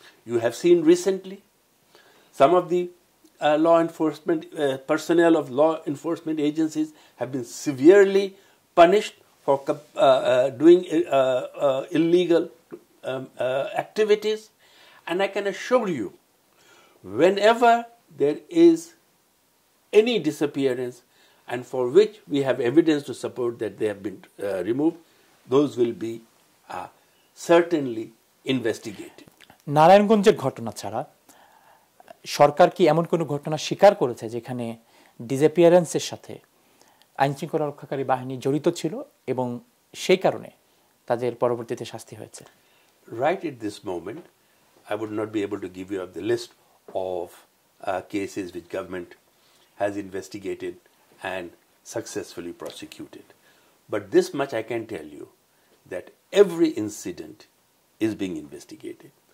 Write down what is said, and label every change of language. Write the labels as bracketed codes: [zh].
[en] You have seen recently some of the law enforcement personnel of law enforcement agencies have been severely punished for doing illegal activities. And I can assure you, whenever there is any disappearance and for which we have evidence to support that they have been removed, those will be certainly investigated. [bn] Narayanganjer ghotona chhara সরকার কি এমন কোনো ঘটনা স্বীকার করেছে যেখানে ডিসঅ্যাপিয়ারেন্সের সাথে আইনশৃঙ্খলা রক্ষাকারী বাহিনী জড়িত ছিল এবং সেই কারণে তাদের পরবর্তীতে শাস্তি হয়েছে? [en] Right at this moment, I would not be able to give you the list of cases which government has investigated and successfully prosecuted. But this much I can tell you, that every incident is being investigated.